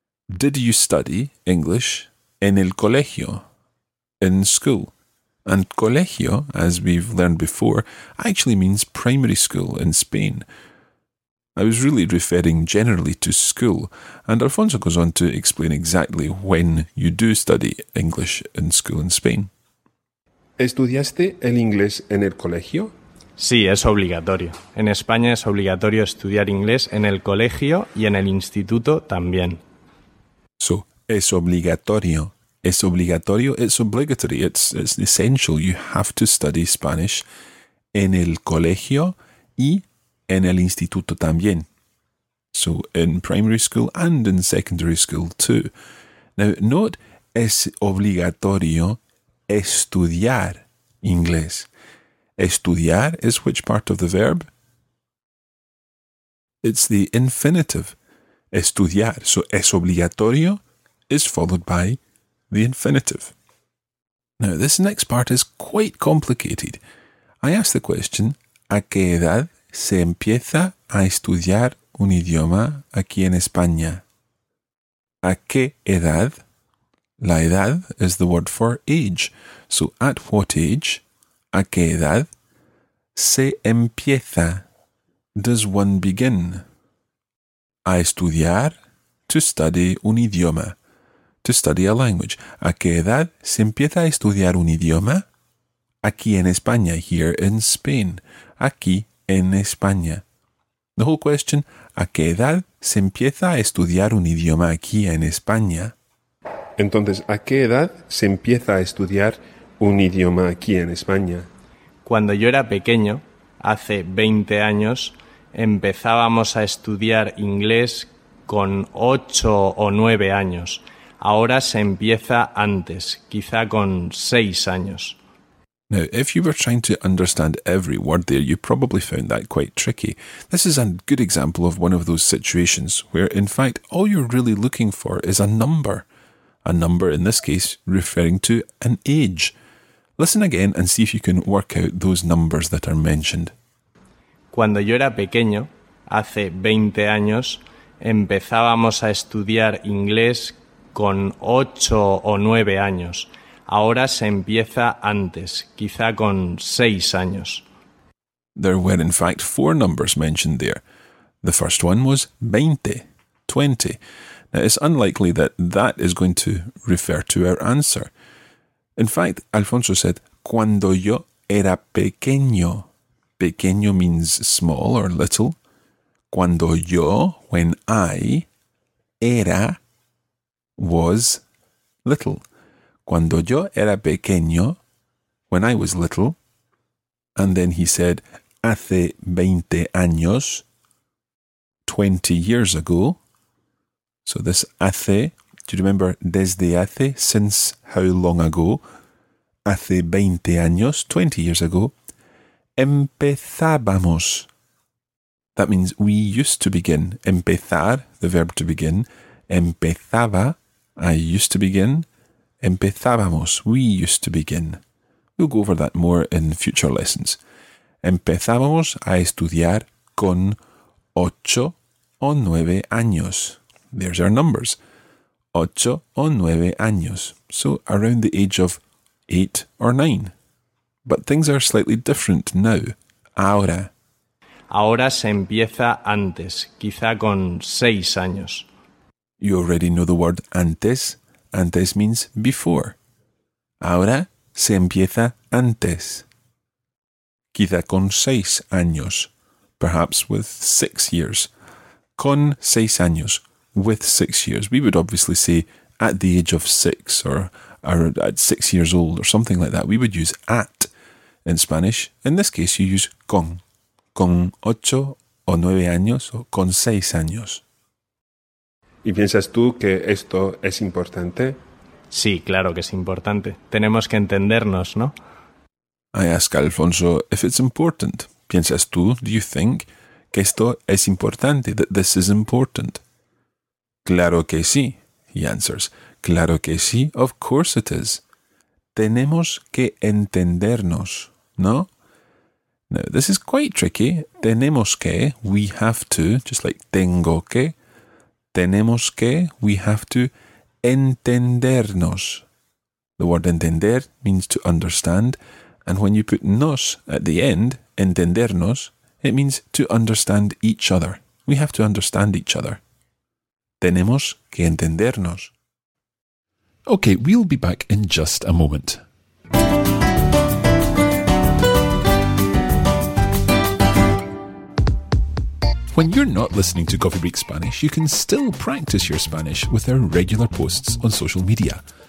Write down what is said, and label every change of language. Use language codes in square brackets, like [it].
[en] Did you study English [es] en el colegio? [en] In school. And colegio, as we've learned before, actually means primary school in Spain. I was really referring generally to school, and Alfonso goes on to explain exactly when you do study English in school in Spain. [es] ¿Estudiaste el inglés en el colegio? Sí, es obligatorio. En España es obligatorio estudiar inglés en el colegio y en el instituto también. So, es obligatorio. Es obligatorio, [en] it's obligatory, it's essential. You have to study Spanish [es] en el colegio y en el instituto también. [en] So, in primary school and in secondary school too. Now, note, [es] es obligatorio estudiar inglés. [en] Estudiar is which part of the verb? It's the infinitive. Estudiar. So, [es] es obligatorio [en] is followed by the infinitive. Now, this next part is quite complicated. I ask the question, [es] ¿a qué edad se empieza a estudiar un idioma aquí en España? ¿A qué edad? La edad [en] is the word for age. So, at what age, [es] a qué edad, se empieza, [en] does one begin? [es] A estudiar, [en] to study [es] un idioma, [en] to study a language. [es] ¿A qué edad se empieza a estudiar un idioma? Aquí en España, [en] here in Spain. [es] Aquí en España. [en] The whole question, [es] ¿a qué edad se empieza a estudiar un idioma aquí en España? Entonces, ¿a qué edad se empieza a estudiar un idioma aquí en España? Cuando yo era pequeño, hace 20 años, empezábamos a estudiar inglés con 8 o 9 años. Ahora se empieza antes, quizá con 6 años. [en] Now, if you were trying to understand every word there, you probably found that quite tricky. This is a good example of one of those situations where, in fact, all you're really looking for is a number. A number, in this case, referring to an age. Listen again and see if you can work out those numbers that are mentioned. [es] Cuando yo era pequeño, hace 20 años, empezábamos a estudiar inglés con 8 o 9 años. Ahora se empieza antes, quizá con 6 años. [en] There were in fact 4 numbers mentioned there. The first one was 20, 20. Now it's unlikely that that is going to refer to our answer. In fact, Alfonso said, [es] cuando yo era pequeño. [en] Pequeño means small or little. Cuando yo, when I, era, was little. [es] Cuando yo era pequeño, [en] when I was little, and then he said, [es] hace 20 años, [en] 20 years ago. So this hace, do you remember [es] desde hace, [en] since how long ago? [es] Hace 20 años, [en] 20 years ago, [es] empezábamos. [en] That means we used to begin. Empezar, the verb to begin. Empezaba, I used to begin. Empezábamos, we used to begin. We'll go over that more in future lessons. [es] Empezábamos a estudiar con 8 o 9 años. [en] There's our numbers. [es] 8 o 9 años. [en] So around the age of 8 or 9. But things are slightly different now. [es] Ahora. Ahora se empieza antes, quizá con 6 años. [en] You already know the word antes. Antes means before. [es] Ahora se empieza antes. Quizá con 6 años. [en] Perhaps with 6 years. [es] Con 6 años. [en] With 6 years. We would obviously say at the age of 6 or at 6 years old or something like that. We would use at in Spanish. In this case, you use [es] con. Con 8 o 9 años o con 6 años. ¿Y piensas tú que esto es importante? Sí, claro que es importante. Tenemos que entendernos, ¿no? [en] I ask Alfonso if it's important. [es] ¿Piensas tú, [en] do you think, [es] que esto es importante, [en] that this is important? [es] Claro que sí, [en] he answers. Claro que sí, of course it is. [es] Tenemos que entendernos, ¿no? [en] Now, this is quite tricky. [es] Tenemos que, [en] we have to, just like [es] tengo que. Tenemos que, [en] we have to, entendernos. The word entender means to understand. And when you put nos at the end, entendernos, it means to understand each other. We have to understand each other. [es] Tenemos que entendernos. [en] Okay, we'll be back in just a moment. When you're not listening to Coffee Break Spanish, you can still practice your Spanish with our regular posts on social media.